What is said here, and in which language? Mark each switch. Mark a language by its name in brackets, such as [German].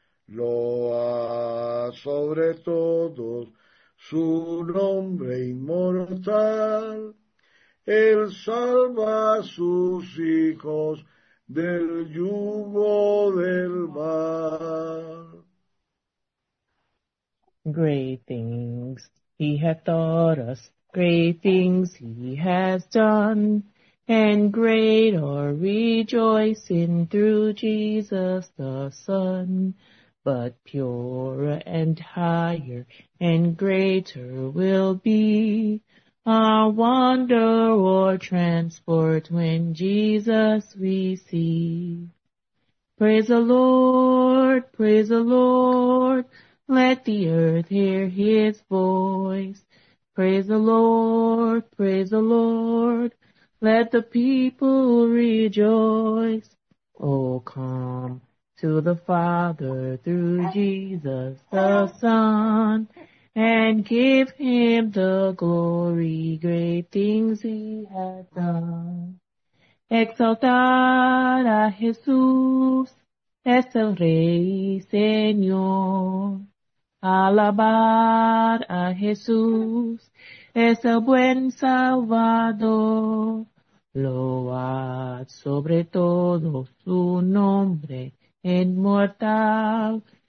[Spanish] Loa sobre todos su nombre inmortal, él salva a sus hijos del yugo del mal. [English] Great things he hath taught us, great things he has done, and great our rejoicing through Jesus the Son. But purer and higher and greater will be our wonder or transport when Jesus we see. Praise the Lord, let the earth hear his voice. Praise the Lord, let the people rejoice. Oh, come to the Father through Jesus the Son, and give him the glory, great things he hath done. [Spanish] Exaltad a Jesús, es el Rey Señor. Alabar a Jesús es el buen Salvador. Load sobre todo su nombre inmortal.